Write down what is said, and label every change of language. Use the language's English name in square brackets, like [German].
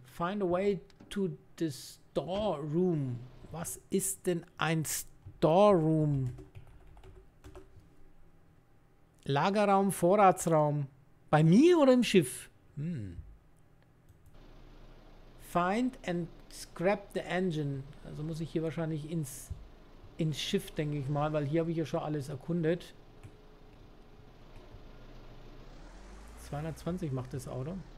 [English] Find a way to the storeroom. [German] Was ist denn ein Storeroom? Lagerraum, Vorratsraum. Bei mir oder im Schiff? [English] Find and scrap the engine. [German] Also muss ich hier wahrscheinlich ins Schiff, denke ich mal, weil hier habe ich ja schon alles erkundet. 220 macht das Auto.